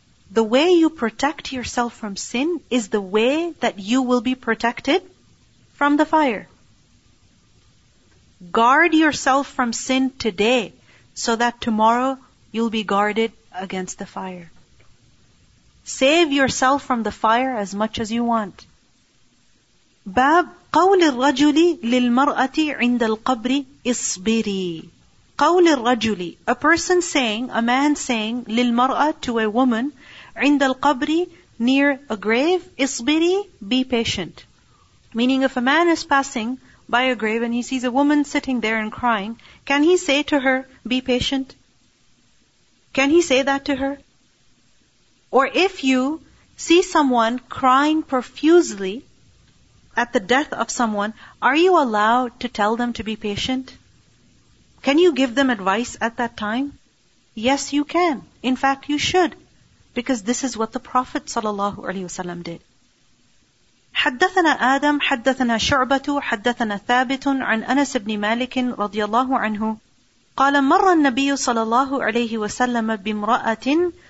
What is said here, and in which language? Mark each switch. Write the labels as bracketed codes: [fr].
[en] The way you protect yourself from sin is the way that you will be protected from the fire. Guard yourself from sin today so that tomorrow you'll be guarded against the fire. Save yourself from the fire as much as you want. [ar] باب قول الرجل للمرأة عند القبر اصبري. قول الرجل, [en] a person saying, a man saying, للمرأة, to a woman, [ar] عند القبر, [en] near a grave, اصبري, be patient. Meaning if a man is passing by a grave and he sees a woman sitting there and crying, can he say to her, be patient? Can he say that to her? Or if you see someone crying profusely at the death of someone, are you allowed to tell them to be patient? Can you give them advice at that time? Yes, you can. In fact, you should. Because this is what the Prophet ﷺ did. [ar] حدثنا آدم حدثنا شعبة حدثنا ثابت عن أنس بن مالك رضي الله عنه قال مر النبي صلى الله عليه وسلم بامرأة.